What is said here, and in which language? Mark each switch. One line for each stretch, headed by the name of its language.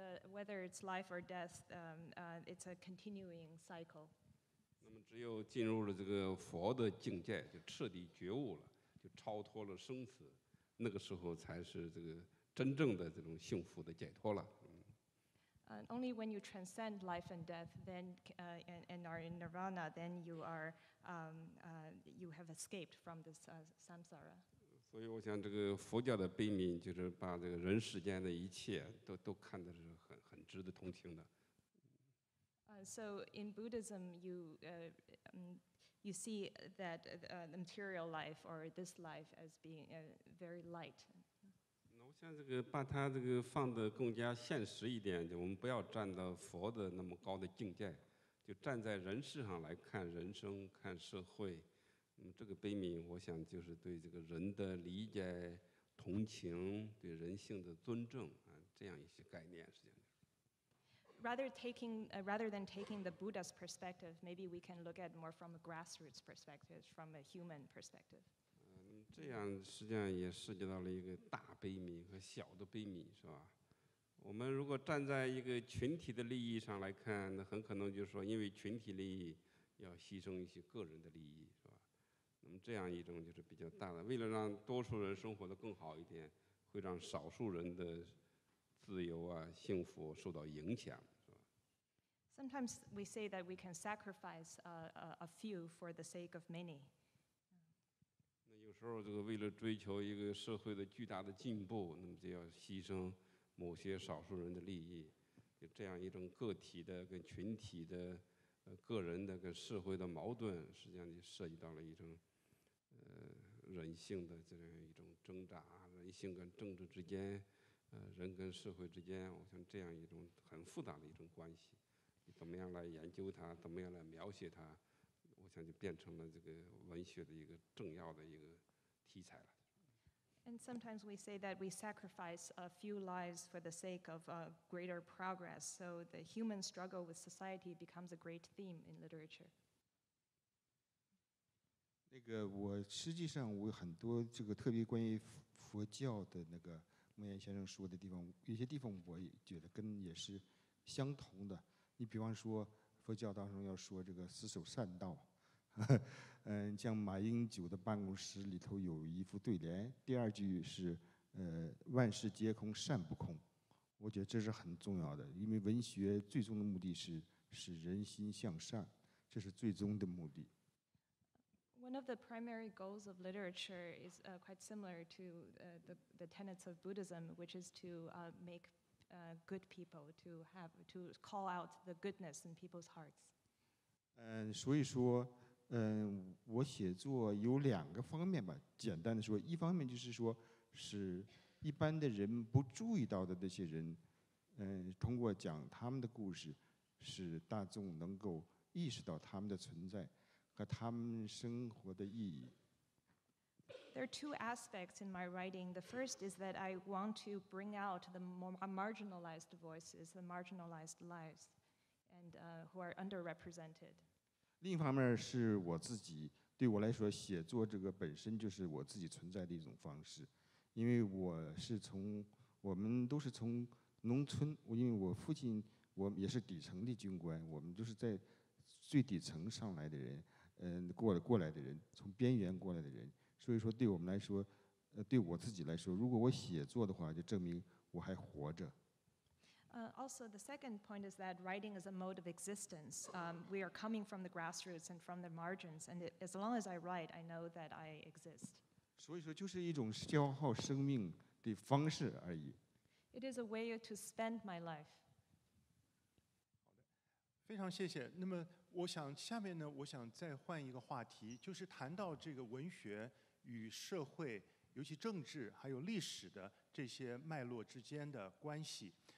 English: Whether it's life or death, it's a continuing cycle.
Chinese: 那么只有进入了这个佛的境界，就彻底觉悟了。就超脱了生死，那个时候才是这个真正的这种幸福的解脱了。
English: Only when you transcend life and death, then and are in nirvana, then you are you have escaped from this samsara.
Chinese: 所以我想，这个佛教的悲悯就是把这个人世间的一切都看得是很值得同情的。
English: So in Buddhism, you you see that the material life or this life as being very light.
Chinese: 那我想这个把它这个放得更加现实一点，就我们不要站到佛的那么高的境界，就站在人世上来看人生、看社会。这个悲悯，我想就是对这个人的理解、同情、对人性的尊重啊，这样一些概念，实际上。
English: Rather than taking the Buddha's perspective, maybe we can look at more from a grassroots perspective, from a human perspective.
Chinese: 这样实际上也涉及到了一个大悲悯和小的悲悯，是吧？我们如果站在一个群体的利益上来看，那很可能就是说，因为群体利益要牺牲一些个人的利益，是吧？那么这样一种就是比较大的，为了让多数人生活得更好一点，会让少数人的自由啊、幸福受到影响，是吧？
English: Sometimes we say that we can sacrifice a few for the sake of many.
Chinese: 那有时候这个为了追求一个社会的巨大的进步，那么就要牺牲某些少数人的利益，就这样一种个体的跟群体的、个人的跟社会的矛盾，实际上就涉及到了一种人性的这样一种挣扎，人性跟政治之间。人跟社会之间，我想这样一种很复杂的一种关系，你怎么样来研究它，怎么样来描写它，我想就变成了这个文学的一个重要的一个题材了。
English: And sometimes we say that we sacrifice a few lives for the sake of greater progress, so the human struggle with society becomes a great theme in literature.
Chinese: 那个，我实际上我很多这个特别关于佛教的那个。莫言先生说的地方，有些地方我也觉得跟也是相同的。你比方说佛教当中要说这个死守善道，像马英九的办公室里头有一副对联，第二句是万事皆空善不空，我觉得这是很重要的，因为文学最终的目的是使人心向善，这是最终的目的。
English: One of the primary goals of literature is quite similar to the tenets of Buddhism, which is to make good people, to call out the goodness in people's hearts.
Chinese: 所以说，我写作有两个方面吧。简单的说，一方面就是说，使一般的人不注意到的那些人，通过讲他们的故事，使大众能够意识到他们的存在。
English: There are two aspects in my writing. The first is that I want to bring out the more marginalized voices, the marginalized lives, and who are underrepresented.
Chinese: 另一方面是我自己，对我来说，写作这个本身就是我自己存在的一种方式，因为我们都是从农村，因为我父亲我也是底层的军官，我们就是在最底层上来的人。过来的人，从边缘过来的人，所以说对我们来说，对我自己来说，如果我写作的话，就证明我还活着。
English: Also, the second point is that writing is a mode of existence. We are coming from the grassroots and from the margins, and as long as I write, I know that I exist.
Chinese: 所以说，就是一种消耗生命的方式而已。
English: It is a way to spend my life.
Chinese: 好的，非常谢谢。那么。我想下面呢，我想再换一个话题，就是谈到这个文学与社会，尤其政治还有历史的这些脉络之间的关系。